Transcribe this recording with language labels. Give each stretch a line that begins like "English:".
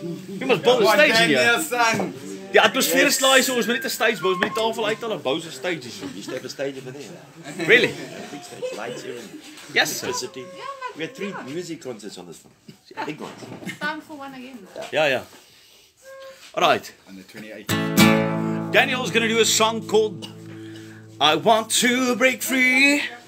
English: We must build a stage in here.
Afrikaans: Die atmosfeer is klaar, so ons moet net 'n stage bou, ons moet die tafel uithaal, 'n bouse stage hier.
English: You step a stage over there. Really? Lights here. Yes, sir. We had three music concerts on this one. Big ones. Time for one again. Yeah, yeah. All right. On the 28th. Daniel's going to do a song called I Want to Break Free.